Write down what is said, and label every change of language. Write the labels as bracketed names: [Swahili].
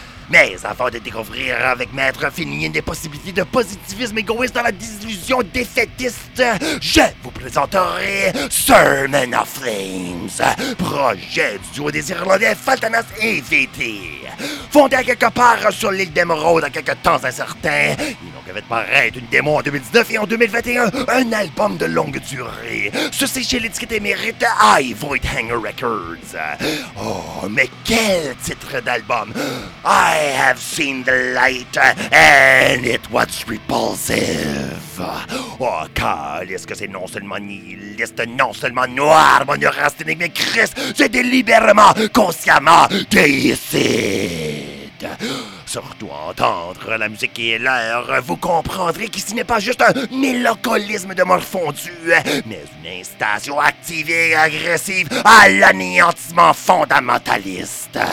[French] Mais avant de découvrir avec Maître Finien des possibilités de positivisme égoïste dans la désillusion défaitiste, je vous présenterai Sermon of Flames, projet du duo des Irlandais Faltanas et VT. Fondé quelque part sur l'île d'Emeraude à quelque temps incertain, ils n'ont qu'à faire paraître une démo en 2019 et en 2021 un album de longue durée. Ceci chez l'étiquette émérite I Void Hanger Records. Oh, mais quel titre d'album! [English] I have seen the light, and it was repulsive. [French] Oh, calice que c'est non seulement nihiliste, non seulement noir, mon neurasthénique, mais Christ, c'est délibérément, consciemment, déicide. Surtout entendre la musique et l'air, vous comprendrez qu'ici n'est pas juste un mélancolisme de mort fondue, mais une incitation active et agressive à l'anéantissement fondamentaliste.